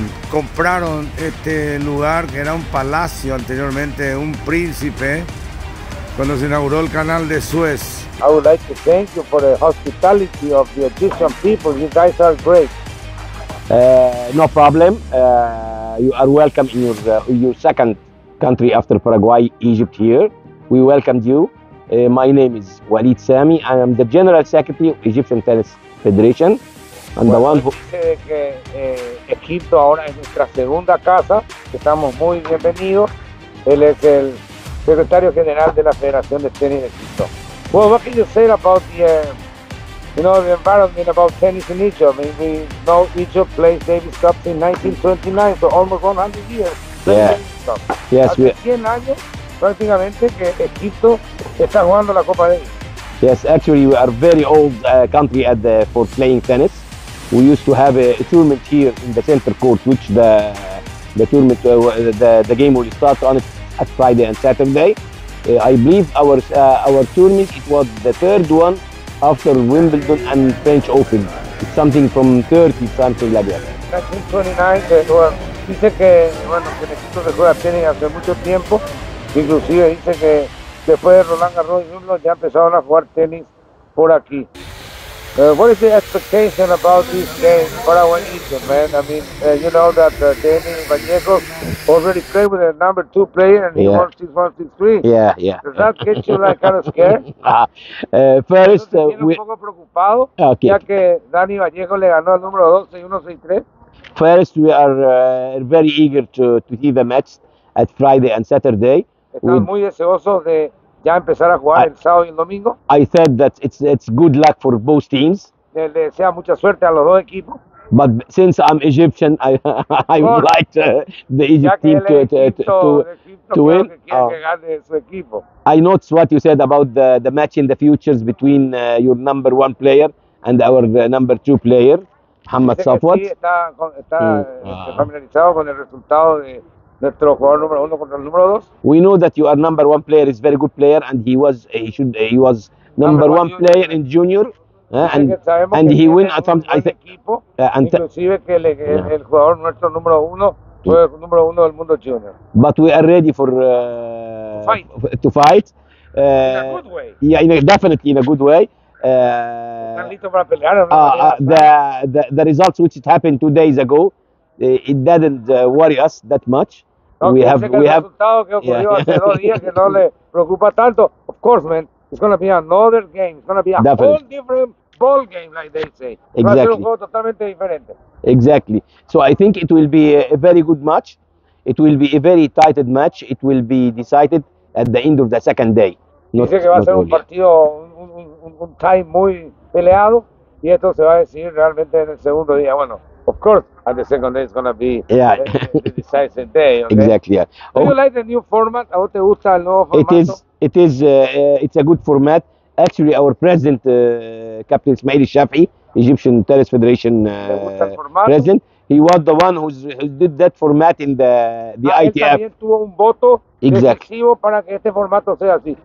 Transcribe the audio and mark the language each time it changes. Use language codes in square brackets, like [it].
[es] Compraron este lugar, que era un palacio anteriormente, un príncipe, cuando se inauguró el canal de Suez. [en] I would like to thank you for the hospitality of the Egyptian people. You guys are great. No problem. You are welcome in your second country after Paraguay, Egypt here. We welcomed you. My name is Walid Sami. I am the General Secretary of Egyptian Tennis Federation. And bueno, the one who... [es] Dice que Egipto ahora es nuestra segunda casa. Estamos muy bienvenidos. Él es el Secretario General de la Federación de Tenis de Egipto. [en] Well, what can you say about the environment about tennis in Egypt? I mean, we know Egypt plays Davis Cup in 1929, so almost 100 years. Yeah. Yes, we... [es] 100 años, prácticamente, que Egipto está jugando la Copa Davis. [en] Yes, actually, we are very old country at the, for playing tennis. We used to have a tournament here in the center court, which the tournament, the game will start on it at Friday and Saturday. I believe our tournament, it was the third one after Wimbledon and French Open. It's something from 30, something like that. [es] 1929, dice que, bueno, que Egipto se juega tenis hace mucho tiempo. Inclusive dice que después de Roland Garros y Wimbledon ya empezaron a jugar tenis por aquí. [en] What is the expectation about this game, Paraguay Egypt, man? I mean, you know that Danny Vallejo already played with a number two player and he won 6-1, 6-3. Yeah, yeah. Does that get you like kind of scared? First, [es] okay. Ya que Danny Vallejo le ganó al número 12-1, 6-3. [en] First, we are very eager to see the match at Friday and Saturday. [es] Estamos muy deseosos de ya empezar a jugar el sábado y el domingo. [en] I said that it's good luck for both teams. [es] Le desea mucha suerte a los dos equipos. [en] But since I'm Egyptian, I would like the Egypt team to win. I noticed what you said about the match in the futures between your number one player and our number two player, Mohamed Safwat. [es] Sí, está familiarizado con el resultado de nuestro jugador número uno contra el número dos. [en] We know that you are number one player, is very good player, and he was number one player in junior, and he win at some, I think. [es] Inclusive que el jugador nuestro número uno fue el número uno del mundo junior. [en] But we are ready for to fight. In a good way. Yeah, definitely in a good way. The results which it happened 2 days ago, it didn't worry us that much. Okay, we have [es] resultado que ocurrió hace dos días que no le preocupa tanto. [en] Of course, man, it's gonna be another game. It's gonna be a definitely whole different ball game, like they say. Exactly. [es] Va a ser un juego totalmente diferente. [en] Exactly. So I think it will be a very good match. It will be a very tight match. It will be decided at the end of the second day. [es] Dice que va a ser un partido, un time muy peleado, y esto se va a decidir realmente en el segundo día. [en] Bueno, of course, and the second day is going to be the decisive day. Okay? Exactly. Yeah. Do you like the new format? [es] ¿A vos te gusta el nuevo formato? [en] It is. It's a good format. Actually, our president, Captain Ismail Shafi, Egyptian Tennis Federation president, he was the one who did that format in the ITF. [es] También tuvo un voto decisivo para que este formato sea así.